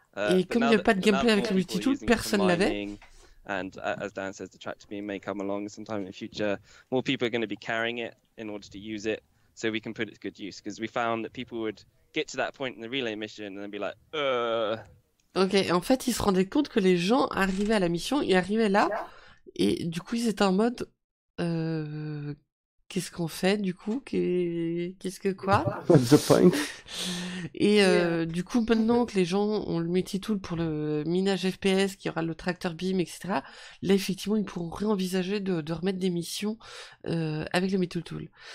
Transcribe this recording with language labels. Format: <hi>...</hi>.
<fr>Et comme il n'y a pas de gameplay avec le multitool, personne ne l'avait.</fr> <en>And as Dan says, the tractor beam may come along sometime in the future. More people are going to be carrying it in order to use it, so we can put it to good use. Because we found that people would get to that point in the relay mission and then be like,</en> <fr>Ok, en fait, ils se rendaient compte que les gens arrivaient à la mission, ils arrivaient là, et du coup, ils étaient en mode, qu'est-ce qu'on fait, du coup, qu'est-ce que quoi?</fr> <en>What's the point?</en> <fr>Et du coup, maintenant que les gens ont le multi-tool pour le minage FPS, qu'il y aura le tracteur beam, etc., là, effectivement, ils pourront réenvisager de remettre des missions avec le multi-tool.</fr>